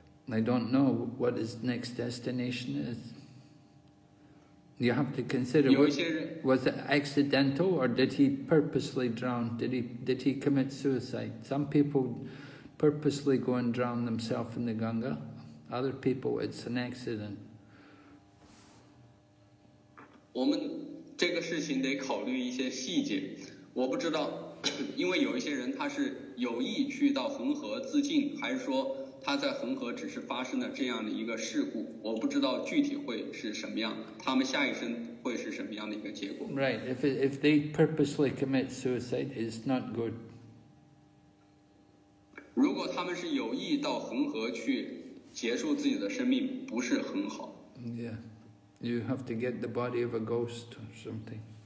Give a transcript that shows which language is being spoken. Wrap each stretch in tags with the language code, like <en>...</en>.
<en>I don't know what his next destination is. You have to consider was it accidental or did he purposely drown? Did he commit suicide? Some people purposely go and drown themselves in the Ganga. Other people, it's an accident.</en> <zh>我们这个事情得考虑一些细节。我不知道。因为有一些人他是有意去到恒河自尽，还是说他在恒河只是发生了这样的一个事故，我不知道具体会是什么样，他们下一生会是什么样的一个结果。</zh> <en>Right, if they purposely commit suicide, it's not good.</en> <zh>如果他们是有意到恒河去结束自己的生命，不是很好。</zh> <en>Yeah, you have to get the body of a ghost or something.</en>